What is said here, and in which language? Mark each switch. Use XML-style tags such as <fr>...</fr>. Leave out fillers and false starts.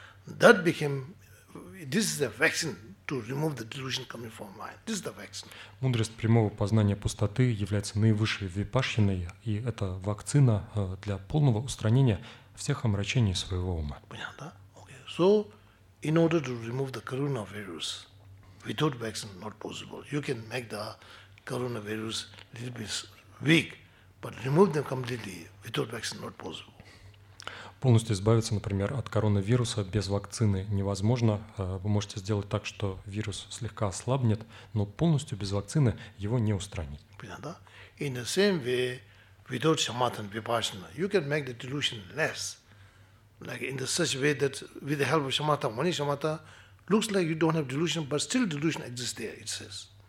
<en>That became, this is the vaccine to remove the delusion coming from mind. This is the vaccine.</en> <ru>Мудрость прямого познания пустоты является наивысшей випашиной, и это вакцина для полного устранения всех омрачений своего ума. Понятно?</ru> <en>Okay. So, in order to remove the coronavirus, without vaccine, not possible. You can make the coronavirus a little bit weak, but remove them completely without vaccine, not possible.</en> <ru>Полностью избавиться, например, от коронавируса без вакцины невозможно. Вы можете сделать так, что вирус слегка ослабнет, но полностью без вакцины его не устранить. Понятно?</ru> <en>In the same way, without shamatha, vipassana, you can make the delusion less. Like in the such way that with the help of shamatha, mani shamatha, looks like you don't have delusion, but still delusion exists there, it says.</en>